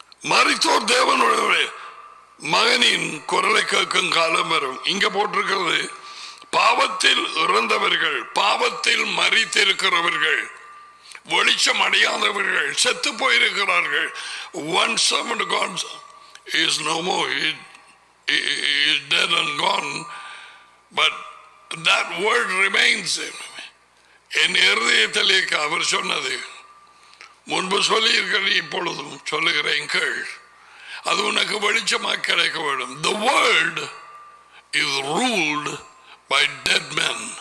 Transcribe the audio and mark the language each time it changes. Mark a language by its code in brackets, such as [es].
[ta] மரித்தோர் தேவனுடைய மகனின் குரலை கேட்கும் காலம் வரும். இங்க போட்டிருக்கிறது, பாவத்தில் இறந்தவர்கள், பாவத்தில் மரித்திருக்கிறவர்கள், வெளிச்சம் அடையாதவர்கள், செத்து போயிருக்கிறார்கள். [en] One servant of God is no more. He is dead and gone. But that word remains. [ta] என் இருதயத்திலே அவர் சொன்னது முன்பு சொல்லியிருக்கிற இப்பொழுதும் சொல்லுகிறேன் கேள். அது உனக்கு வெளிச்சமாக கிடைக்க வேண்டும். [en] The world is ruled by dead men.